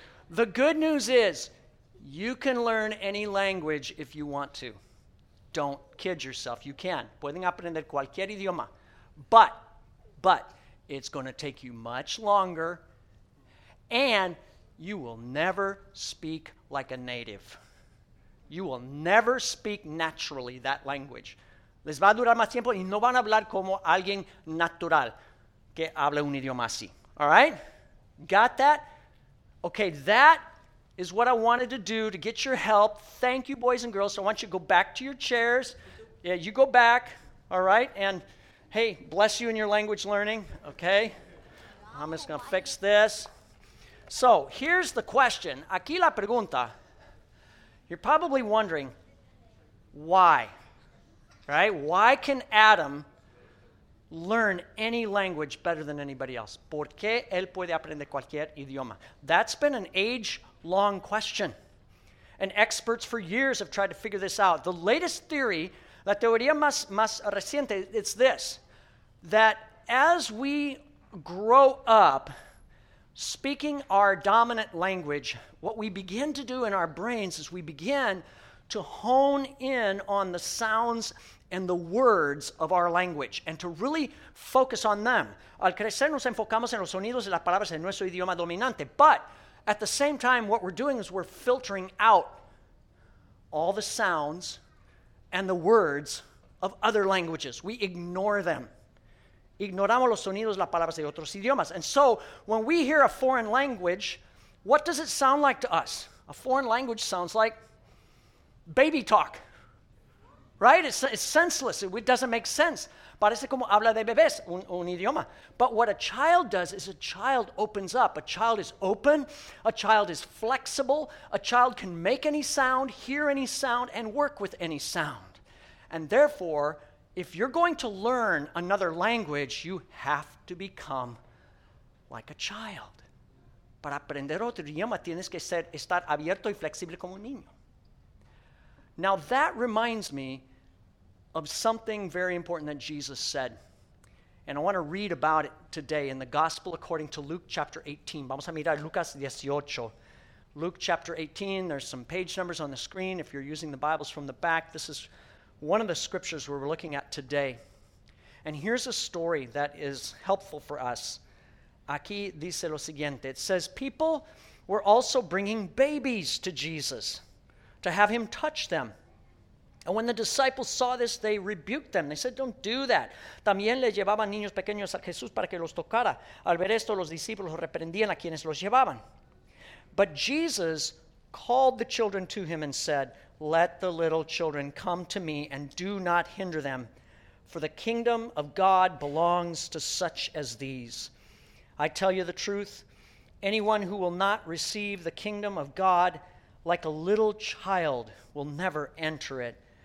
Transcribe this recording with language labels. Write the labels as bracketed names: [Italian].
[English] The good news is you can learn any language if you want to. Don't kid yourself. You can. [Spanish] Pueden aprender cualquier idioma. [English] But, it's going to take you much longer, and you will never speak like a native. You will never speak naturally that language. [Spanish] Les va a durar más tiempo, y no van a hablar como alguien natural que habla un idioma así. [English] All right? Got that? Okay, that is what I wanted to do to get your help. Thank you, boys and girls. So I want you to go back to your chairs. Yeah, you go back. All right? And, hey, bless you in your language learning. Okay? Wow. I'm just going to fix this. So here's the question. [Spanish] Aquí la pregunta. [English] You're probably wondering, why? Right? Why can Adam learn any language better than anybody else? [Spanish] ¿Por qué él puede aprender cualquier idioma? [English] That's been an age-long question. And experts for years have tried to figure this out. The latest theory, [Spanish] la teoría más reciente, [English] it's this, that as we grow up speaking our dominant language, what we begin to do in our brains is we begin to hone in on the sounds and the words of our language, and to really focus on them. [Spanish] Al crecer nos enfocamos en los sonidos y las palabras de nuestro idioma dominante. [English] But at the same time, what we're doing is we're filtering out all the sounds and the words of other languages. We ignore them. [Spanish] Ignoramos los sonidos y las palabras de otros idiomas. [English] And so when we hear a foreign language, what does it sound like to us? A foreign language sounds like baby talk. Right? It's senseless. It doesn't make sense. [Spanish] Parece como habla de bebés, un idioma. [English] But what a child does is a child opens up. A child is open. A child is flexible. A child can make any sound, hear any sound, and work with any sound. And therefore, if you're going to learn another language, you have to become like a child. [Spanish] Para aprender otro idioma, tienes que estar abierto y flexible como un niño. [English] Now, that reminds me of something very important that Jesus said. And I want to read about it today in the Gospel according to Luke chapter 18. [Spanish] Vamos a mirar Lucas 18. [English] Luke chapter 18, there's some page numbers on the screen. If you're using the Bibles from the back, this is one of the scriptures we're looking at today. And here's a story that is helpful for us. [Spanish] Aquí dice lo siguiente. [English] It says, people were also bringing babies to Jesus to have him touch them. And when the disciples saw this, they rebuked them. They said, don't do that. [Spanish] También les llevaban niños pequeños a Jesús para que los tocara. Al ver esto, los discípulos reprendían a quienes los llevaban. [English] But Jesus called the children to him and said, let the little children come to me and do not hinder them, for the kingdom of God belongs to such as these. I tell you the truth, anyone who will not receive the kingdom of God like a little child will never enter it.